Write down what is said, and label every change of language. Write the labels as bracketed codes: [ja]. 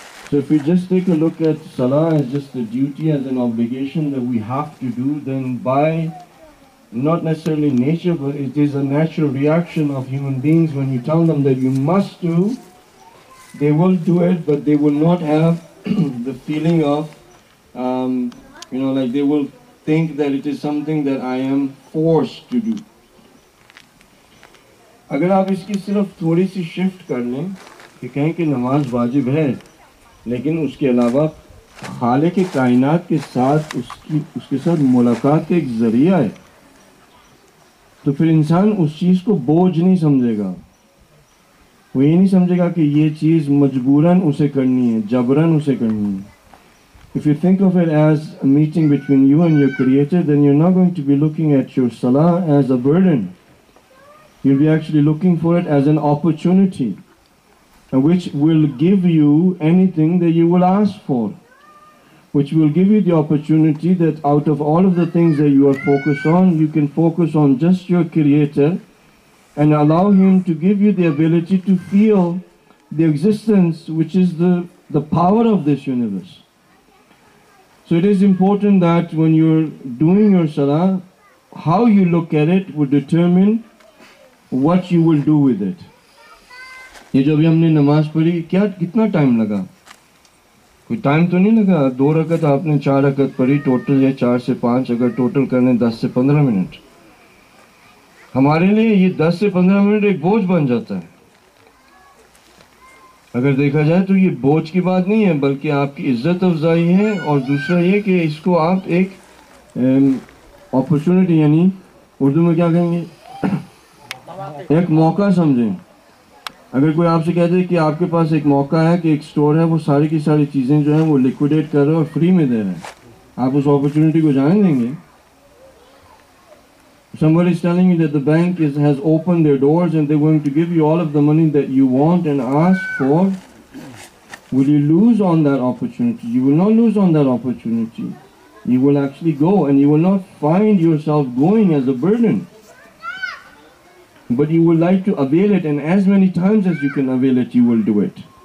[en] So if we just take a look at salah as just a duty, as an obligation that we have to do, then by not necessarily nature, but it is a natural reaction of human beings, when you tell them that you must do, they will do it, but they will not have the feeling of, you know, like they will think that it is something that I am forced to do. [ur] اگر آپ اس کی صرف تھوڑی سی shift کر لیں کہ کہیں کہ نماز واجب ہے, لیکن اس کے علاوہ خالق کائنات کے ساتھ اس کے ساتھ ملاقات کا ایک ذریعہ ہے, تو پھر انسان اس چیز کو بوجھ نہیں سمجھے گا. وہ یہ نہیں سمجھے گا کہ یہ چیز مجبوراً اسے کرنی ہے, جبراً اسے کرنی ہے. [en] If you think of it as a meeting between you and your creator, then you're not going to be looking at your salah as a burden. You'll be actually looking for it as an opportunity which will give you anything that you will ask for, which will give you the opportunity that out of all of the things that you are focused on, you can focus on just your Creator and allow Him to give you the ability to feel the existence, which is the power of this universe. So it is important that when you're doing your salah, how you look at it would determine what you will do with it. [ur] یہ جو ابھی ہم نے نماز پڑھی, کیا کتنا time لگا؟ کوئی ٹائم تو نہیں لگا. دو رکعت آپ نے چار رکعت پڑھی ٹوٹل, یا چار سے پانچ اگر ٹوٹل کر لیں, 10 سے 15 منٹ. ہمارے لیے یہ 10 سے 15 منٹ ایک بوجھ بن جاتا ہے. اگر دیکھا جائے تو یہ بوجھ کی بات نہیں ہے, بلکہ آپ کی عزت افزائی ہے. اور دوسرا یہ کہ اس کو آپ ایک اپرچونیٹی, یعنی اردو میں کیا کہیں گے, ایک موقع سمجھیں. اگر کوئی آپ سے کہہ دے کہ آپ کے پاس ایک موقع ہے کہ ایک سٹور ہے, وہ ساری کی ساری چیزیں جو ہیں وہ لیکوڈیٹ کر رہے ہیں اور فری میں دے رہے ہیں, آپ اس اپرچونیٹی کو جان دیں گے؟ [en] Somebody is telling you that the bank has opened their doors and they're going to give you all of the money that you want and ask for. Will you lose on that opportunity? You will not lose on that opportunity. You will actually go and you will not find yourself going as a burden. But you would like to avail it, and as many times as you can avail it, you will do it.